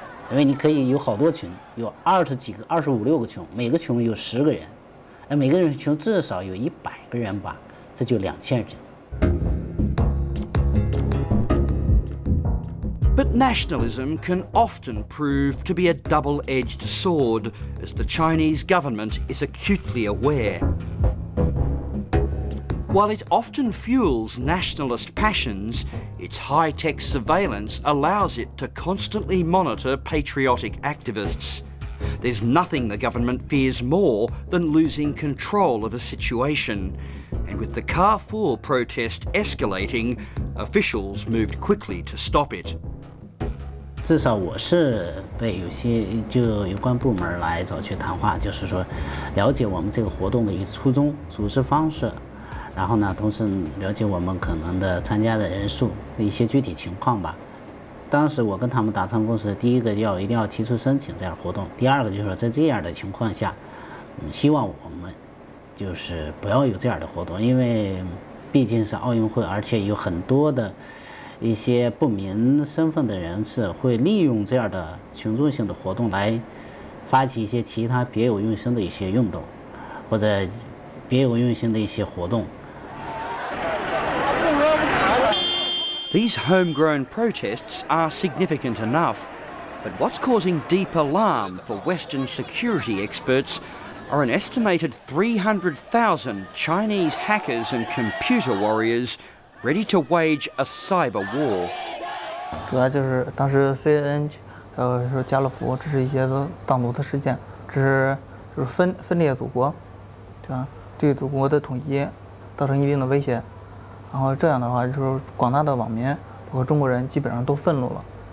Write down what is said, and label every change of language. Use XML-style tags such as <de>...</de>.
<zh>因为你可以有好多群，有二十几个、二十五六个群，每个群有十个人，每个人群至少有一百个人吧，这就2000人。</zh> <en>But nationalism can often prove to be a double-edged sword, as the Chinese government is acutely aware. While it often fuels nationalist passions, its high-tech surveillance allows it to constantly monitor patriotic activists. There's nothing the government fears more than losing control of a situation. And with the Carrefour protest escalating, officials moved quickly to stop it.</en> <zh>至少我是被有些就有关部门来找去谈话，就是说了解我们这个活动的一个初衷、组织方式，然后呢，同时了解我们可能的参加的人数的一些具体情况吧。当时我跟他们达成共识，第一个要一定要提出申请这样活动，第二个就是说在这样的情况下，希望我们就是不要有这样的活动，因为毕竟是奥运会，而且有很多的一些不明身份的人士会利用这样的群众性的活动来发起一些其他别有用心的一些运动，或者别有用心的一些活动。</zh> <en>These homegrown protests are significant enough, but what's causing deep alarm for Western security experts are an estimated 300,000 Chinese hackers and computer warriors. Ready to wage a cyber war.</en> <zh>主要就是当时 CNN 还有说加勒福，这是一些党独的事件，这是就是分裂祖国，对吧？对祖国的统一造成一定的威胁。然后这样的话，就是广大的网民包括中国人基本上都愤怒了。</zh>